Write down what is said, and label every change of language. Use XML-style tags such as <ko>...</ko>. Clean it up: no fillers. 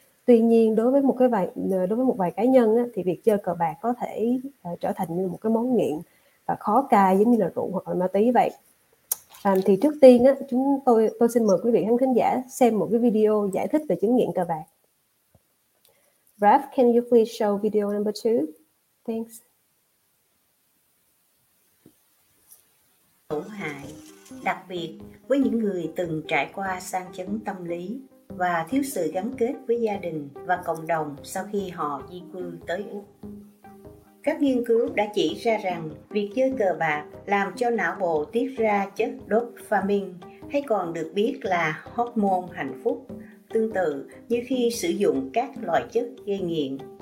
<vi>Tuy nhiên đối với một vài cá nhân thì việc chơi cờ bạc có thể trở thành như một cái món nghiện và khó cai giống như là rượu hoặc là ma túy vậy. Thì trước tiên tôi xin mời quý vị khán giả xem một cái video giải thích về chứng nghiện cờ bạc.</vi> <en>Raph, can you please show video number 2? Thanks.</en> <vi>Hữu hại, đặc biệt với những người từng trải qua sang chấn tâm lý và thiếu sự gắn kết với gia đình và cộng đồng sau khi họ di cư tới Úc. Các nghiên cứu đã chỉ ra rằng việc chơi cờ bạc làm cho não bộ tiết ra chất dopamine, hay còn được biết là hormone hạnh phúc, tương tự như khi sử dụng các loại chất gây nghiện.</vi>